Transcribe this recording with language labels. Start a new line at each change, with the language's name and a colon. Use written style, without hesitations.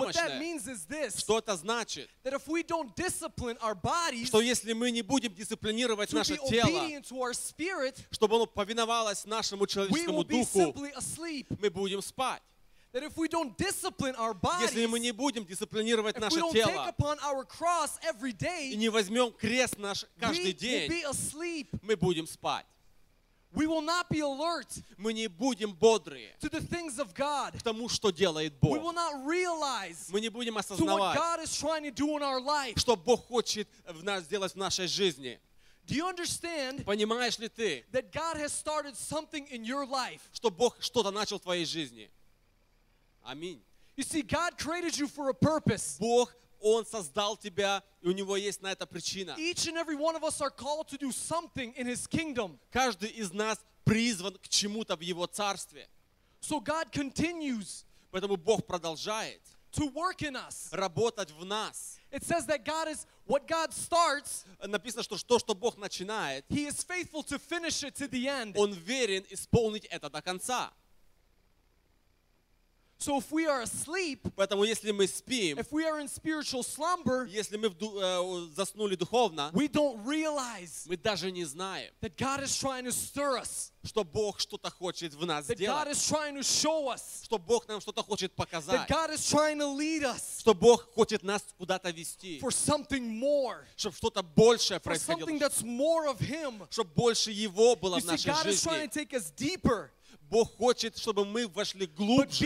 English: What that means is this,
Russian: что это значит?
English: That if we don't discipline our bodies,
Russian: что если мы не будем дисциплинировать наше тело,
English: to our spirit,
Russian: чтобы оно повиновалось нашему человеческому духу, мы будем спать.
English: That if we don't discipline our bodies,
Russian: если мы не будем дисциплинировать наше тело,
English: take upon our cross every day,
Russian: и не возьмем крест наш каждый день,
English: will be asleep.
Russian: Мы будем спать.
English: We will not be alert
Russian: мы не будем бодрые
English: to the things of God.
Russian: К тому, что делает Бог.
English: We will not realize
Russian: мы не будем осознавать,
English: to what God is trying to do in our life.
Russian: Что Бог хочет в нас сделать в нашей жизни.
English: Do you understand?
Russian: Понимаешь ли ты?
English: That God has started something in your life.
Russian: Что Бог что-то начал в твоей жизни. Аминь.
English: You see, God created you for a purpose.
Russian: Бог, он создал тебя, и у него есть на это причина.
English: Each and every one of us are called to do something in His kingdom.
Russian: Каждый из нас призван к чему-то в Его царстве.
English: So God continues.
Russian: Поэтому Бог продолжает.
English: To work in us.
Russian: Работать в нас.
English: It says that God is what God starts.
Russian: Написано, что то, что Бог начинает.
English: He is faithful to finish it to the end.
Russian: Он верен исполнить это до конца.
English: So if we are asleep,
Russian: поэтому если мы спим,
English: if we are in spiritual slumber,
Russian: если мы заснули духовно,
English: we don't realize,
Russian: мы даже не знаем,
English: that God is trying to stir us,
Russian: что Бог что-то хочет в нас
English: that
Russian: сделать,
English: God is trying to show us,
Russian: что Бог нам что-то хочет показать,
English: that God is trying to lead us,
Russian: что Бог хочет нас куда-то вести,
English: for something more,
Russian: чтобы что-то большее происходило,
English: for something that's more of Him,
Russian: чтобы больше Его было
English: you
Russian: в нашей
English: see, God
Russian: жизни.
English: Is trying to take us deeper.
Russian: Бог хочет, чтобы мы вошли глубже.